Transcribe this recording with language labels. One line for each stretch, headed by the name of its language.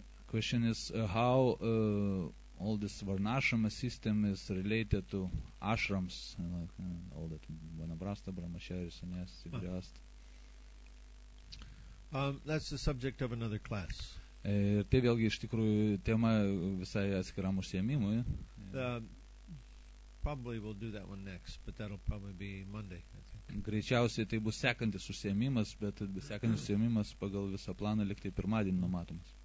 English: Question is how all this varnashrama system is related to ashrams, like, all that vanaprastha, brahmachari, sannyas, grihastha. That's the subject of another class.
Lithuanian: Ir tai vėlgi iš tikrųjų tema visai atskiram užsiėmimui.
English: Probably we'll do that one next, but that'll probably be Monday, I think.
Lithuanian: Greičiausiai tai bus sekantis užsiėmimas, bet sekantis užsiėmimas pagal visą planą liktai pirmadienį numatomas.